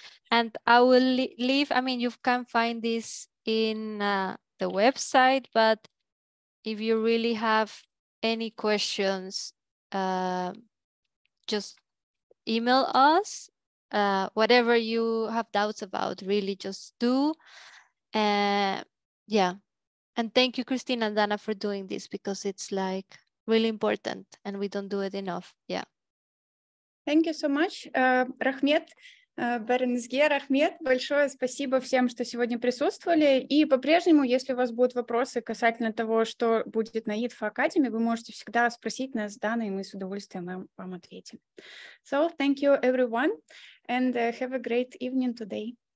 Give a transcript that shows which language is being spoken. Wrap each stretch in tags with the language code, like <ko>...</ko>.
<en>And I will leave, I mean, you can find this in the website, but if you really have any questions, just email us, whatever you have doubts about, really just do. And thank you, Christine and Dana, for doing this, because it's like really important and we don't do it enough. Yeah. Thank you so much, Rahmet.</en> <ru>Беренсге, Рахмет, большое спасибо всем, что сегодня присутствовали. И по-прежнему, если у вас будут вопросы касательно того, что будет на IDFAcademy, вы можете всегда спросить нас, Дана, и мы с удовольствием вам ответим.</ru> <en>So, thank you everyone, and have a great evening today.</en>